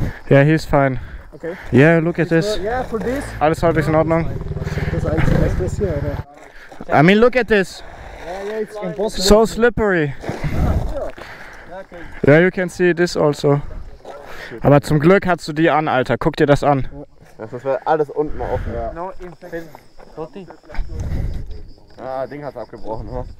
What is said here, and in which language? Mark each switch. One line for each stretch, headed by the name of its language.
English: Ja, yeah, he's fine. Okay. Yeah, look at this. Yeah, for this.
German: Alles halbwegs in Ordnung.
English: I mean, look at this. Yeah, yeah, it's impossible. So slippery. Yeah, you can see this also.
German: Aber zum Glück hast du die an, Alter. Guck dir das an. Das ist alles unten offen.
English: Ja. No infection.
German: Ah, Ding hat's abgebrochen, oder?